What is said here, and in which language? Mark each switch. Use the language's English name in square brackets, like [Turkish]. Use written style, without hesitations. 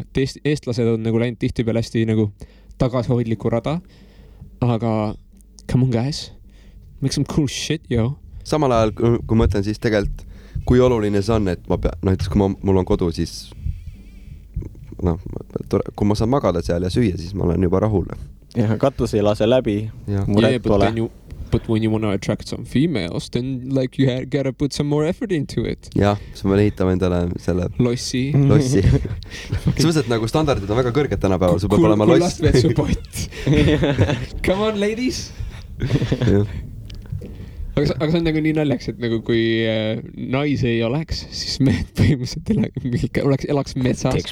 [Estonian] Et eestlased on nagu läinud tihti peale hästi nagu tagasihoidliku rada, aga [English] come on guys, make some cool shit, yo. [Estonian] Samal ajal, kui mõtlen, siis tegelikult, kui oluline see on, et ma pean, no, kui mul on kodu, siis no, kui ma saan magada seal ja süüa, siis ma olen juba rahul. Ja katus ei lase läbi. Ja. [English] But when you want to attract some females, then like you got to put some more effort into it. [Estonian] Ja, siis ma ehitame endale selle... Lossi. See mõtled, nagu standardid on väga kõrged tänapäeval, see peab olema loss. [English] Kui last support. Come on, ladies! [Estonian] Aga see on nagu nii naljaks, et nagu kui nais ei oleks, siis me põhimõtteliselt elaks metsas.